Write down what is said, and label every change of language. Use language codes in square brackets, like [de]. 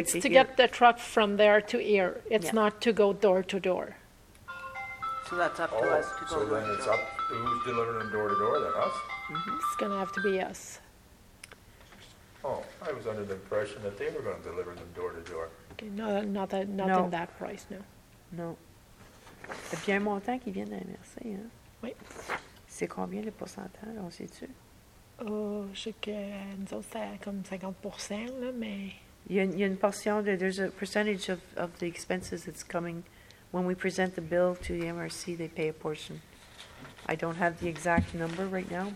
[en] It's to get the truck from there to here. It's not to go door to door. So So that's up to us to go to the workshop. So then it's up, who's delivering them door to door, then us? Mm-hmm. It's going to have to be us. Oh, I was under the impression that they were going to deliver them door to door. Okay, not in that price, no. No. [fr] Il y a un montant qui vient de la MRC, hein? Oui. C'est combien le pourcentage, on sait-tu? Oh, je sais que nous autres, c'est comme 50%, là, mais... Il y a une portion, [en] there's a percentage of the expenses that's coming. When we present the bill to the MRC, they pay a portion. I don't have the exact number right now.